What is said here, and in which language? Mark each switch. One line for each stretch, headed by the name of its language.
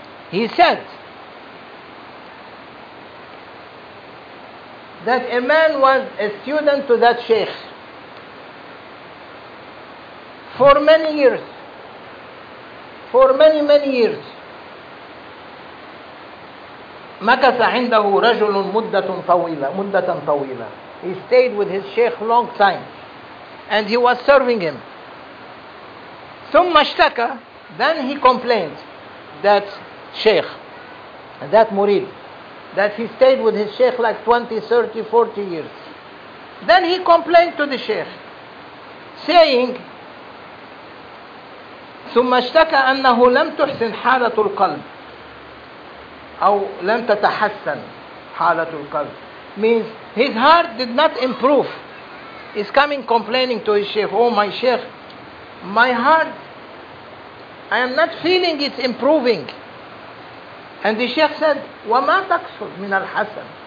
English: He said that a man was a student to that sheikh for many years, for many, many years.
Arabic: مكث عنده رجل مدة طويلة مدة طويلة.
English: He stayed with his sheikh long time and he was serving him.
Arabic: ثم اشتكى,
English: then he complained, that sheikh, that murid, that he stayed with his sheikh like 20, 30, 40 years. Then he complained to the sheikh, saying,
Arabic: ثم اشتكى أنه لم تحسن حالة القلب أو لم تتحسن حالة القلب.
English: Means his heart did not improve. He's coming complaining to his sheikh, oh my sheikh, my heart, I am not feeling it's improving. And the sheikh said,
Arabic: وَمَا تَقْصُدْ مِنَ الْحَسَنِ.